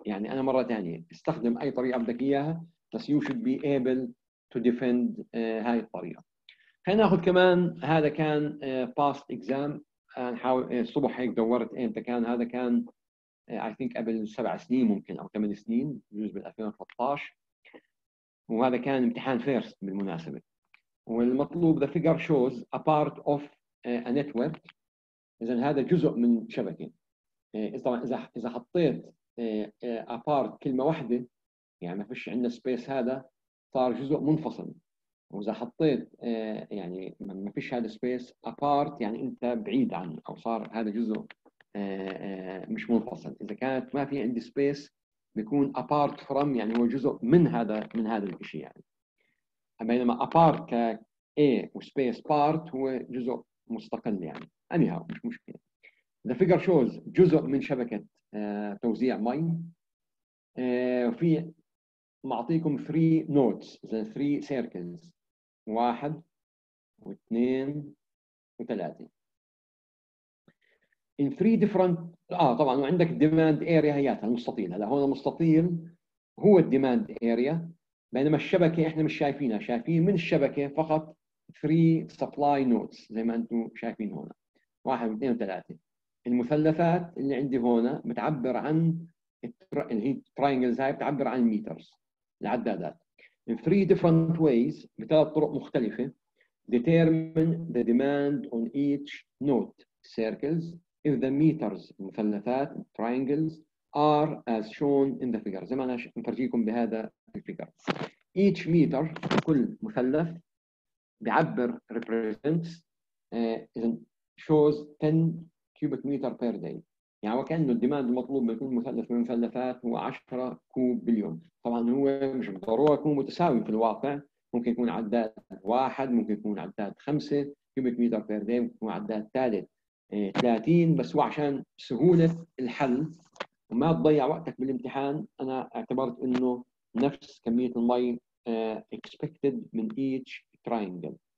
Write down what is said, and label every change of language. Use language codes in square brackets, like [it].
[ar] يعني انا مره ثانيه استخدم اي طريقه بدك اياها، بس [en] you should be able to defend [ar] هاي الطريقه. خلينا ناخذ كمان، هذا كان باست اكزام، نحاول الصبح هيك دورت امتى كان هذا. كان [en] I think [ar] قبل 7 سنين ممكن أو 8 سنين، جزء من 2013، وهذا كان امتحان فيرست بالمناسبة. والمطلوب [en] the figure shows a part of a network. [ar] إذا هذا جزء من شبكة. طبعا إذا حطيت a part كلمة واحدة يعني ما فيش عندنا space، هذا صار جزء منفصل. وإذا حطيت يعني ما فيش هذا space a part، يعني أنت بعيد عن أو صار هذا جزء مش منفصل. إذا كانت ما في عندي سبيس بيكون apart from، يعني هو جزء من هذا من هذا الشيء. يعني بينما apart ك A وspace part هو جزء مستقل. يعني anyhow مش مشكلة. [en] The figure shows [ar] جزء من شبكة توزيع مي. وفي معطيكم [en] 3 nodes the 3 circles، 1 و2 و3 in three different [ar] طبعا. وعندك demand area هيات المستطيل. هلا هون المستطيل هو demand area، بينما الشبكه احنا مش شايفينها، شايفين من الشبكه فقط [en] three supply nodes [ar] زي ما انتم شايفين هون، 1 و2 و3. المثلثات اللي عندي هون بتعبر عن اللي هي triangles، هاي بتعبر عن meters العدادات. [en] in three different ways [ar] بثلاث طرق مختلفه [en] determine the demand on each node circles if the meters [ar] المثلثات [en] triangles are as shown in the figure. [ar] زي ما انا مفرجيكم بهذا الفيجر. [en] Each meter [ar] كل مثلث بيعبر [en] represents shows 10 cubic meter per day. [ar] يعني وكأنه الديماند المطلوب من كل مثلث من المثلثات هو 10 كوب باليوم. طبعا هو مش بالضروره يكون متساوي في الواقع، ممكن يكون عداد 1، ممكن يكون عداد 5 cubic meter per day، ممكن يكون عداد 30. بس هو عشان سهولة الحل وما تضيع وقتك بالامتحان، أنا اعتبرت أنه نفس كمية المي expected من each triangle.